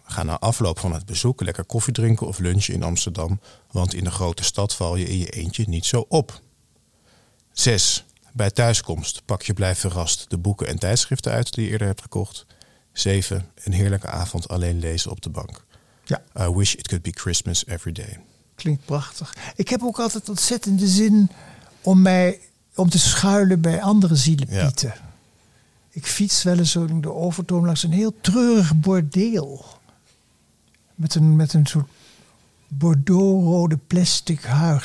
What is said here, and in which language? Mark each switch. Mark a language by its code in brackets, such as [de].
[nl] Ga na afloop van het bezoek lekker koffie drinken of lunchen in Amsterdam, want in de grote stad val je in je eentje niet zo op. 6. Bij thuiskomst pak je blijf verrast de boeken en tijdschriften uit die je eerder hebt gekocht. 7. Een heerlijke avond alleen lezen op de bank. Ja. [en] I wish it could be Christmas every day. [nl] Klinkt prachtig. Ik heb ook altijd ontzettende zin om mij om te schuilen bij andere zielenpieten. Ja. Ik fiets wel eens door de Overtoom langs een heel treurig bordeel. Met een soort bordeauxrode plastic huig.